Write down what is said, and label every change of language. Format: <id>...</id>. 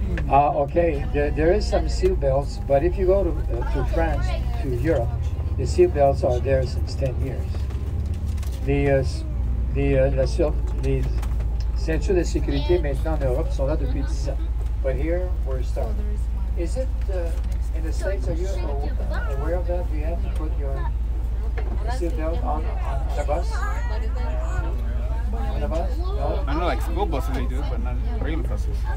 <en>Okay, there is some seatbelts, but if you go to France, to Europe, the seatbelts are there since 10 years.</en> <fr>Les ceintures de sécurité maintenant en Europe sont là depuis 10 ans.</fr> <en>But here, we're starting. Is it in the States, are you aware of that? Do you have to put your seatbelt on the bus? On the bus? No? I know, like school buses they do, but not regular buses.</en>